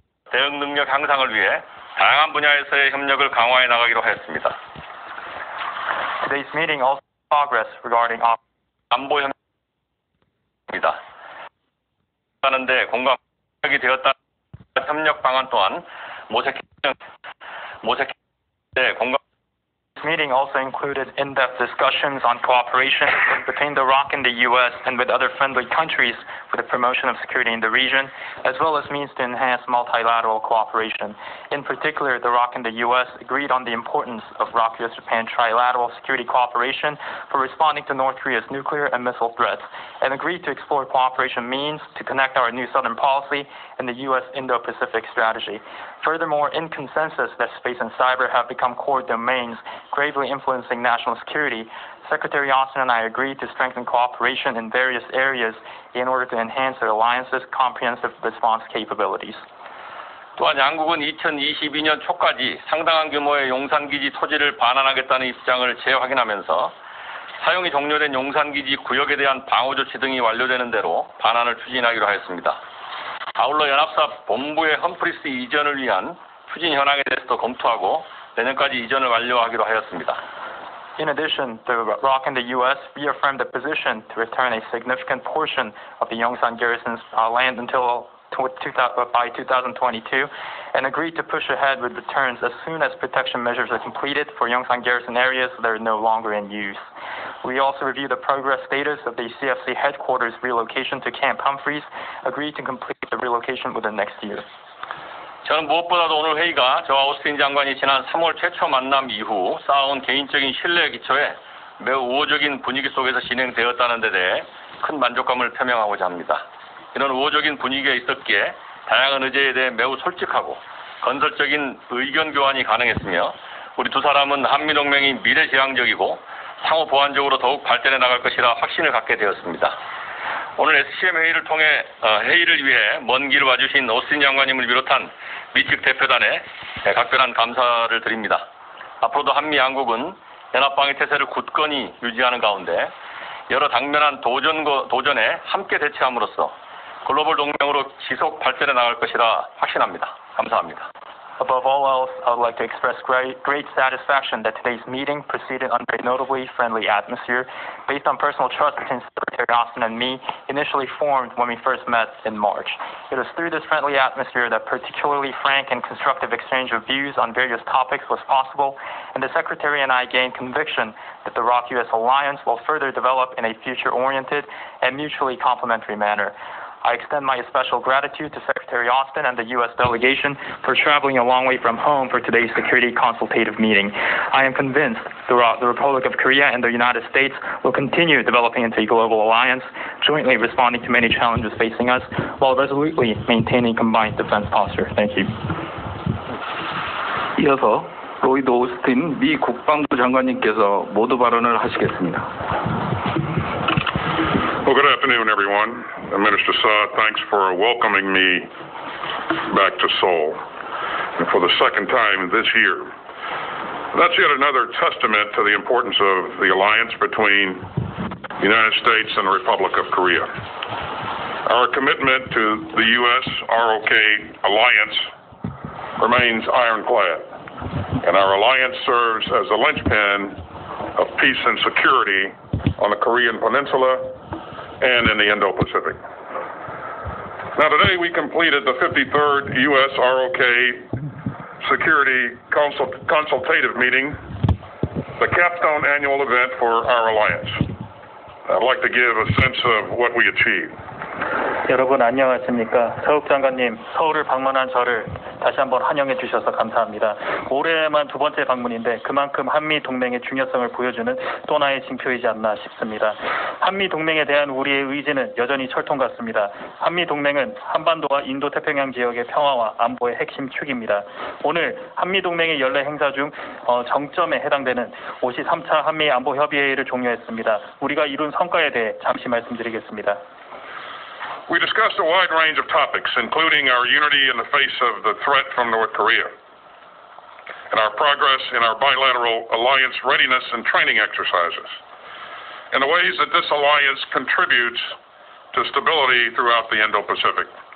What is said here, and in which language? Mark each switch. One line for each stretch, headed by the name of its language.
Korean: 대응 능력 향상을 위해 다양한 분야에서의 협력을 강화해 나가기로 했습니다.
English: Today's meeting also progress regarding
Korean: 안보 협력입니다. 하는데 공감이 되었다. 협력 방안 또한 모색해 공감.
English: This meeting also included in-depth discussions on cooperation between the ROC and the U.S. and with other friendly countries for the promotion of security in the region, as well as means to enhance multilateral cooperation. In particular, the ROC and the U.S. agreed on the importance of ROC-U.S.-Japan trilateral security cooperation for responding to North Korea's nuclear and missile threats, and agreed to explore cooperation means to connect our new southern policy and the U.S. Indo-Pacific strategy. Furthermore, in consensus that space and cyber have become core domains gravely influencing national security, Secretary Austin and I agreed to strengthen cooperation in various areas in order to enhance our alliance's comprehensive response capabilities.
Korean: 또한 양국은 2022년 초까지 상당한 규모의 용산기지 토지를 반환하겠다는 입장을 재확인하면서 사용이 종료된 용산기지 구역에 대한 방어 조치 등이 완료되는 대로 반환을 추진하기로 하였습니다. 아울러 연합사 본부의 험프리스 이전을 위한 추진 현황에 대해서도 검토하고 내년까지 이전을 완료하기로 하였습니다.
English: In addition, the ROC and the U.S. reaffirmed the position to return a significant portion of the Yongsan garrison's land until by 2022 and agreed to push ahead with returns as soon as protection measures are completed for Yongsan garrison areas that are no longer in use. We also reviewed the progress status of the CFC headquarters relocation to Camp Humphreys, agreed to complete the relocation within next year.
Korean: 저는 무엇보다도 오늘 회의가 저와 오스틴 장관이 지난 3월 최초 만남 이후 쌓아온 개인적인 신뢰의 기초에 매우 우호적인 분위기 속에서 진행되었다는 데 대해 큰 만족감을 표명하고자 합니다. 이런 우호적인 분위기에 있었기에 다양한 의제에 대해 매우 솔직하고 건설적인 의견 교환이 가능했으며 우리 두 사람은 한미동맹이 미래지향적이고 상호 보완적으로 더욱 발전해 나갈 것이라 확신을 갖게 되었습니다. 오늘 SCM 회의를 통해 회의를 위해 먼 길 와주신 오스틴 장관님을 비롯한 미측 대표단에 각별한 감사를 드립니다. 앞으로도 한미 양국은 연합방위 태세를 굳건히 유지하는 가운데 여러 당면한 도전에 함께 대처함으로써 글로벌 동맹으로 지속 발전해 나갈 것이라 확신합니다. 감사합니다.
English: Above all else, I would like to express great satisfaction that today's meeting proceeded under a notably friendly atmosphere based on personal trust between Secretary Austin and me, initially formed when we first met in March. It was through this friendly atmosphere that particularly frank and constructive exchange of views on various topics was possible, and the Secretary and I gained conviction that the ROC-U.S. alliance will further develop in a future-oriented and mutually complementary manner. I extend my special gratitude to Secretary Austin and the U.S. delegation for traveling a long way from home for today's security consultative meeting. I am convinced throughout the Republic of Korea and the United States will continue developing into a global alliance, jointly responding to many challenges facing us, while resolutely maintaining combined defense posture. Thank you.
Korean: 이어서 로이드 오스틴 미 국방부 장관님께서 모두 발언을 하시겠습니다.
English: Well, good afternoon, everyone. Minister Saad, thanks for welcoming me back to Seoul and for the second time this year. That's yet another testament to the importance of the alliance between the United States and the Republic of Korea. Our commitment to the U.S.-ROK alliance remains ironclad, and our alliance serves as a linchpin of peace and security on the Korean Peninsula and in the Indo-Pacific. Now today we completed the 53rd U.S.-ROK Security Consultative Meeting, the capstone annual event for our alliance. I'd like to give a sense of what we achieved.
Korean: 여러분 안녕하십니까? 서욱 장관님, 서울을 방문한 저를 다시 한번 환영해 주셔서 감사합니다. 올해만 두 번째 방문인데 그만큼 한미동맹의 중요성을 보여주는 또 하나의 징표이지 않나 싶습니다. 한미동맹에 대한 우리의 의지는 여전히 철통 같습니다. 한미동맹은 한반도와 인도태평양 지역의 평화와 안보의 핵심 축입니다. 오늘 한미동맹의 연례 행사 중 정점에 해당되는 53차 한미안보협의회의를 종료했습니다. 우리가 이룬 성과에 대해 잠시 말씀드리겠습니다.
English: We discussed a wide range of topics, including our unity in the face of the threat from North Korea, and our progress in our bilateral alliance readiness and training exercises, and the ways that this alliance contributes to stability throughout the Indo-Pacific.